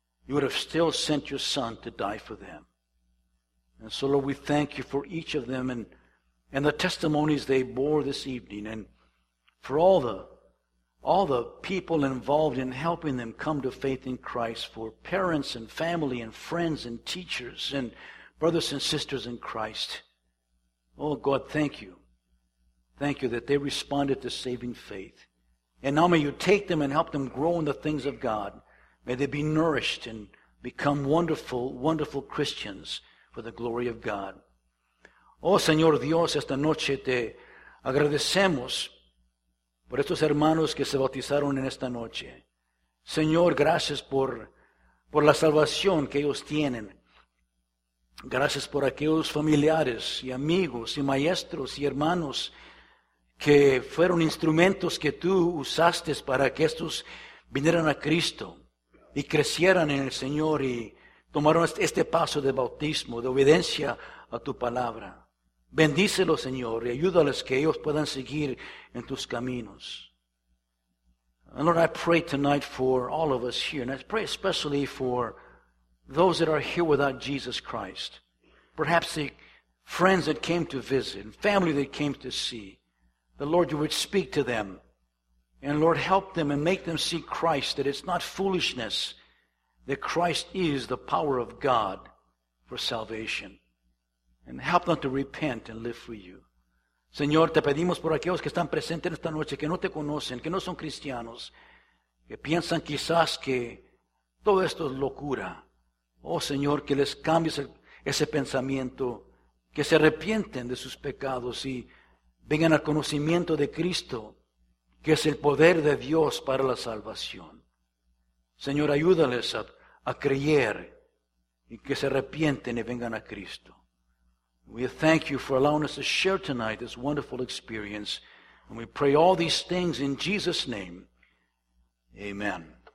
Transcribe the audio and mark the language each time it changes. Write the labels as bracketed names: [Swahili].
[English] you would have still sent your son to die for them. And so, Lord, we thank you for each of them and the testimonies they bore this evening, and for all the people involved in helping them come to faith in Christ, for parents and family and friends and teachers and brothers and sisters in Christ. Oh, God, thank you. Thank you that they responded to saving faith. And now may you take them and help them grow in the things of God. May they be nourished and become wonderful, wonderful Christians for the glory of God. [Spanish] Oh, Señor Dios, esta noche te agradecemos por estos hermanos que se bautizaron en esta noche. Señor, gracias por la salvación que ellos tienen. Gracias por aquellos familiares y amigos y maestros y hermanos que fueron instrumentos que tú usaste para que estos vinieran a Cristo y crecieran en el Señor y tomaron este paso de bautismo, de obediencia a tu palabra. Bendícelos, Señor, y ayúdales que ellos puedan seguir en tus caminos. [English] And Lord, I pray tonight for all of us here, and I pray especially for those that are here without Jesus Christ. Perhaps the friends that came to visit, family that came to see, the Lord, you would speak to them. And Lord, help them and make them see Christ, that it's not foolishness, that Christ is the power of God for salvation. And help them to repent and live for you. [Spanish] Señor, te pedimos por aquellos que están presentes esta noche, que no te conocen, que no son cristianos, que piensan quizás que todo esto es locura. Oh, Señor, que les cambies ese pensamiento, que se arrepienten de sus pecados y vengan al conocimiento de Cristo, que es el poder de Dios para la salvación. Señor, ayúdales a creer y que se arrepienten y vengan a Cristo. [English] We thank you for allowing us to share tonight this wonderful experience. And we pray all these things in Jesus' name. Amen.